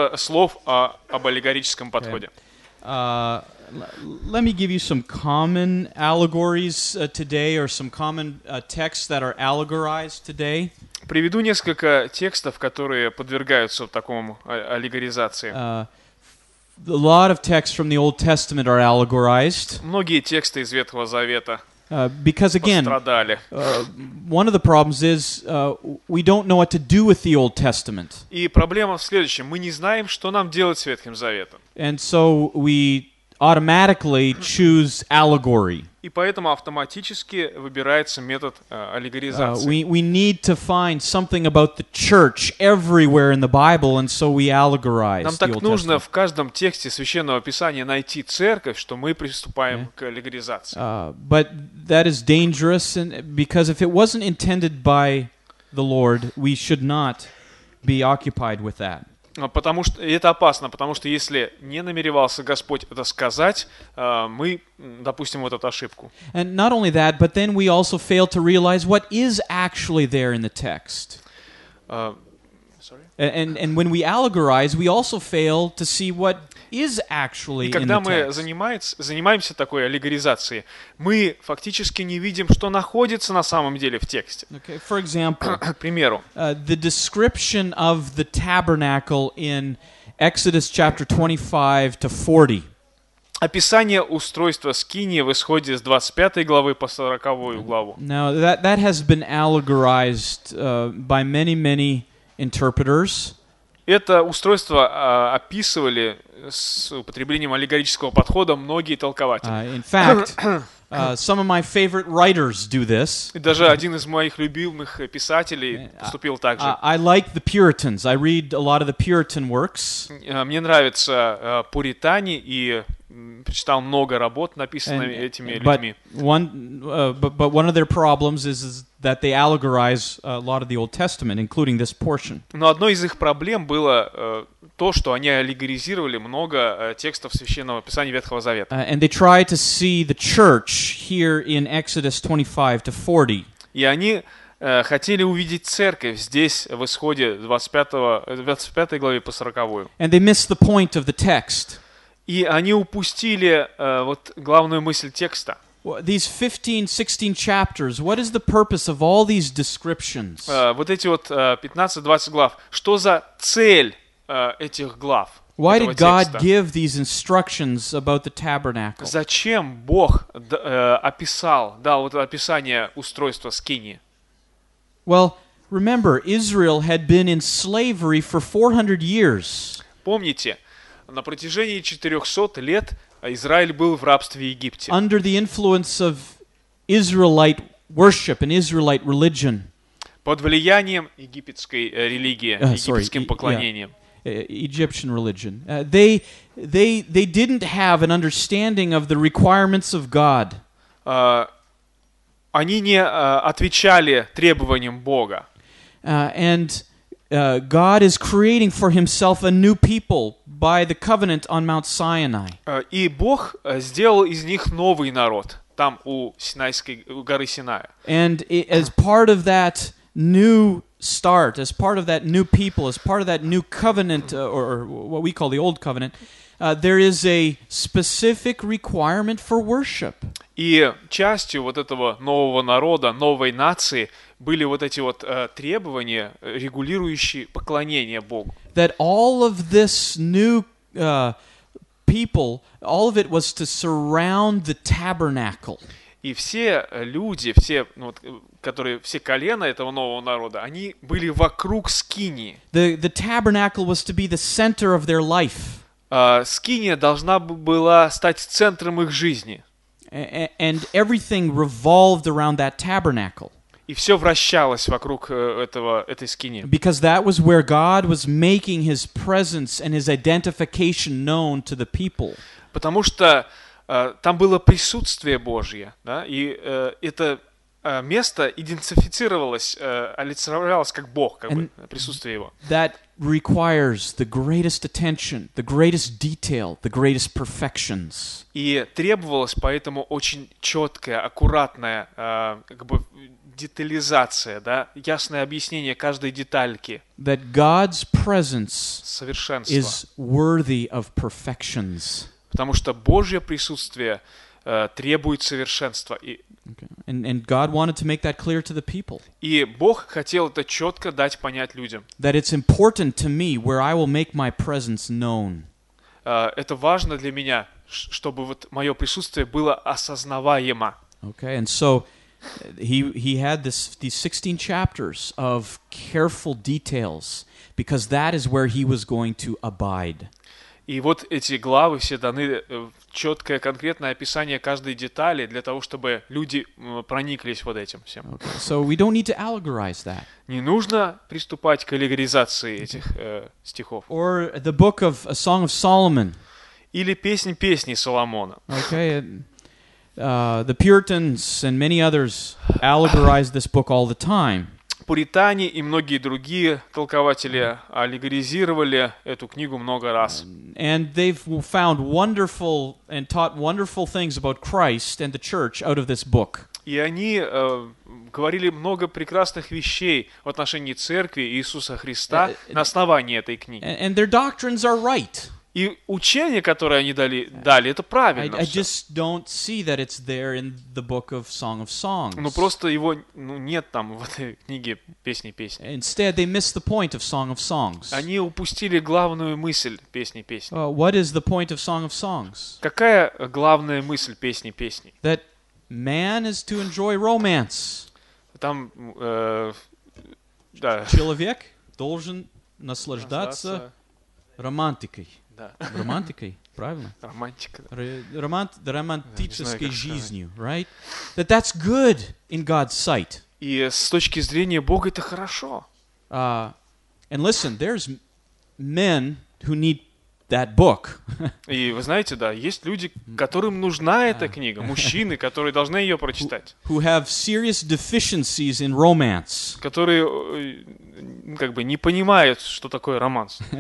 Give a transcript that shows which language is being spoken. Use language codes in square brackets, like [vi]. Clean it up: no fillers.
[ru] слов об аллегорическом подходе. [en] Let me give you some common allegories today, or some common texts that are allegorized today. [ru] Приведу несколько текстов, которые подвергаются такому аллегоризации. [en] A lot of texts from the Old Testament are allegorized. [ru] Многие тексты из Ветхого Завета [en] Because again, one of the problems is we don't know what to do with the Old Testament. [ru] И проблема в следующем: мы не знаем, что нам делать с Ветхим Заветом. [en] And so we automatically choose allegory. [ru] И поэтому автоматически выбирается метод аллегоризации. [en] We need to find something about the church everywhere in the Bible, and so we allegorize. [ru] Нам так нужно в каждом тексте Священного Писания найти церковь, что мы приступаем к аллегоризации. [en] But that is dangerous, and because if it wasn't intended by the Lord, we should not be occupied with that. [ru] Потому что это опасно, потому что если не намеревался Господь это сказать, мы допустим вот эту ошибку. [en] And not only that, but then we also fail to realize what is actually there in the text. And when we allegorize, we also fail to see what is actually in the text. [ru] И когда мы занимаемся такой аллегоризацией, мы фактически не видим, что находится на самом деле в тексте. [en] Okay, for example, [ru] к примеру, [en] the description of the tabernacle in Exodus chapter 25 to 40. [ru] Описание устройства скинии в Исходе с 25 главы по 40 главу. [en] Now, that has been allegorized by many, many interpreters. [ru] Это устройство описывали с употреблением аллегорического подхода многие толкователи. [en] In fact, some of my favorite writers do this. [ru] Даже один из моих любимых писателей поступил так же. [en] I like the Puritans. I read a lot of the Puritan works. [ru] Мне нравятся пуритане и прочитал много работ, написанных этими людьми. [en] But one of their problems is that they allegorize a lot of the Old Testament, including this portion. [ru] Но одной из их проблем было то, что они аллегоризировали много текстов Священного Писания Ветхого Завета. [en] And they try to see the church here in Exodus 25 to 40. [ru] И они хотели увидеть церковь здесь в Исходе 25 главе по 40. [en] And they miss the point of the text. [ru] И они упустили вот главную мысль текста. [en] These 15-16 chapters, what is the purpose of all these descriptions? [ru] Вот эти вот 15-20 глав, что за цель этих глав? [en] Why did God give these instructions about the tabernacle? [ru] Зачем Бог дал вот это описание устройства скинии? [en] Well, remember, Israel had been in slavery for 400 years. [ru] Помните, на протяжении 400 лет Израиль был в рабстве в Египте. [en] Under the influence of Israelite worship and Israelite religion. [ru] Под влиянием египетской религии, египетским поклонением. [en] Egyptian religion. They didn't have an understanding of the requirements of God. [ru] Они не отвечали требованиям Бога. [en] God is creating for himself a new people by the covenant on Mount Sinai. [ru] И Бог сделал из них новый народ там у Синайской у горы Синая. [en] And as part of that new start, as part of that new people, as part of that new covenant or what we call the old covenant, there is a specific requirement for worship. [ru] И частью вот этого нового народа, новой нации были вот эти вот требования, регулирующие поклонение Богу. [en] That all of this new people, all of it was to surround the tabernacle. [ru] И все люди, все вот, которые все колена этого нового народа, они были вокруг скинии. [en] The tabernacle was to be the center of their life. [ru] Скиния должна была стать центром их жизни. [en] And everything revolved around that tabernacle. [ru] И все вращалось вокруг этой скинии. [en] Because that was where God was making his presence and his identification known to the people. [ru] Потому что там было присутствие Божье, да, и это место идентифицировалось, олицетворялось как Бог, как бы, присутствие Его. [en] That requires the greatest attention, the greatest detail, the greatest perfections. [ru] И требовалось поэтому очень четкое, аккуратное, как бы, детализация, да, ясное объяснение каждой детальки. [en] That God's presence [ru] совершенство. [en] Is worthy of perfections. [ru] Потому что Божье присутствие требует совершенства. И, [en] okay. And God wanted to make that clear to the people. [ru] И Бог хотел это четко дать понять людям. [en] That it's important to me where I will make my presence known. [ru] Это важно для меня, чтобы вот мое присутствие было осознаваемо. [en] Okay, and so he had these 16 chapters of careful details, because that is where he was going to abide. [ru] И вот эти главы все даны четкое конкретное описание каждой детали для того, чтобы люди прониклись вот этим всем. [en] Okay. So we don't need to allegorize that. [ru] Не нужно приступать к аллегоризации этих стихов. [en] Or the book of A Song of Solomon. [ru] Или песнь песней Соломона. [en] Okay. The Puritans and many others allegorize this book all the time. [ru] Пуритане и многие другие толкователи аллегоризировали эту книгу много раз. [en] And they've found wonderful and taught wonderful things about Christ and the church out of this book. [ru] И они говорили много прекрасных вещей в отношении церкви Иисуса Христа на основании этой книги. [en] And their doctrines are right. [ru] И учение, которое они дали это правильно. [en] I just don't see that it's there in the book of Song of Songs. [ru] Ну просто его нет там в этой книге Песни песней. [en] Instead, they missed the point of Song of Songs. [ru] Они упустили главную мысль Песни песней. [en] What is the point of Song of Songs? [ru] Какая главная мысль Песни песней? [en] That man is to enjoy romance. [ru] Там да. Человек должен наслаждаться романтикой. Да. Романтикой, правильно? Романтика. Да. Романтической жизнью, [en] right? That's good in God's sight. [ru] И с точки зрения Бога это хорошо. [en] And listen, there's men who need that book. [ru] И вы знаете, да, есть люди, которым нужна эта книга, мужчины, которые должны ее прочитать. [en] Who have serious deficiencies in romance. [ru] Которые как бы не понимают, что такое романс.